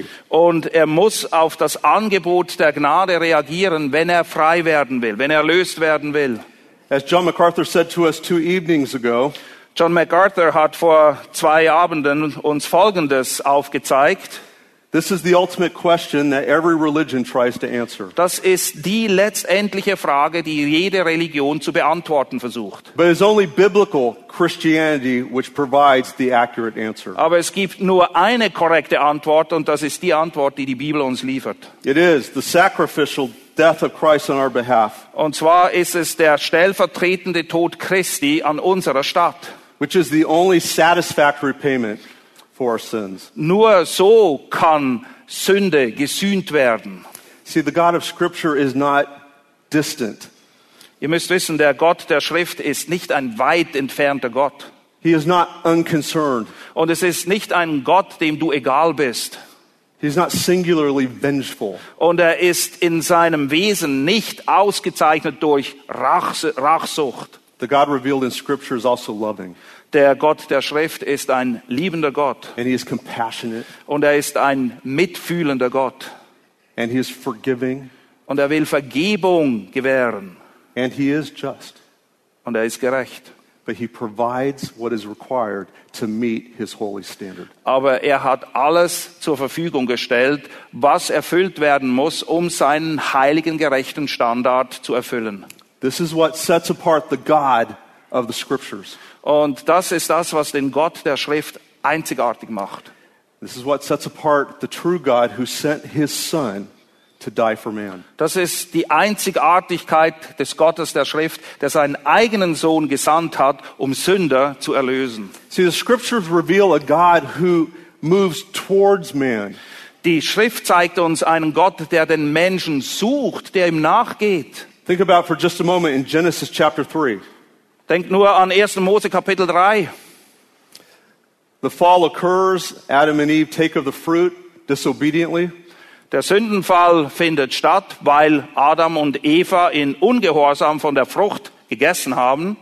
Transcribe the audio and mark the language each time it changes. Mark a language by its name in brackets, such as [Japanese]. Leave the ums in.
[German] Und er muss auf das Angebot der Gnade reagieren, wenn er frei werden will, wenn er löst werden will. [English] As John MacArthur said to us two evenings ago, [German] John MacArthur hat vor zwei Abenden uns folgendes aufgezeigt. [English] This is the ultimate question that every religion tries to answer. [German] Das ist die letztendliche Frage, die jede Religion zu beantworten versucht. [English] But it's only biblical Christianity which provides the accurate answer. [German] Aber es gibt nur eine korrekte Antwort und das ist die Antwort, die die Bibel uns liefert. [English] It is the sacrificial death of Christ on our behalf. [German] Und zwar ist es der stellvertretende Tod Christi an unserer Stadt. [English] Which is the only satisfactory payment [German] Nur so kann Sünde gesühnt werden. [English] See, the God of Scripture is not distant. [German] Ihr müsst wissen, der Gott der Schrift ist nicht ein weit entfernter Gott. [English] He is not unconcerned. [German] Und es ist nicht ein Gott, dem du egal bist. [English] He is not singularly vengeful. [German] Und er ist in seinem Wesen nicht ausgezeichnet durch Rachsucht. [English] The God revealed in Scripture is also loving [German] der Gott der Schrift ist ein liebender Gott. Und er ist ein mitfühlender Gott. Und er will Vergebung gewähren. Und er ist gerecht. Is Aber er hat alles zur Verfügung gestellt, was erfüllt werden muss, um seinen heiligen gerechten Standard zu erfüllen. [English] This is what sets apart the God of the scriptures. [German] Und das ist das, was den Gott der Schrift einzigartig macht. [English] This is what sets apart the true God who sent his son to die for man. [German] Das ist die Einzigartigkeit des Gottes der Schrift, der seinen eigenen Sohn gesandt hat, um Sünder zu erlösen. [English] See, the scriptures reveal a God who moves towards man. [German] Die Schrift zeigt uns einen Gott, der den Menschen sucht, der ihm nachgeht. [English] Think about for just a moment in Genesis chapter 3. [German] Denkt nur an 1. Mose Kapitel 3. [English] The fall occurs, Adam and Eve take of the fruit disobediently. [German] Der Sündenfall findet statt, weil Adam und Eva in ungehorsam von der Frucht gegessen haben.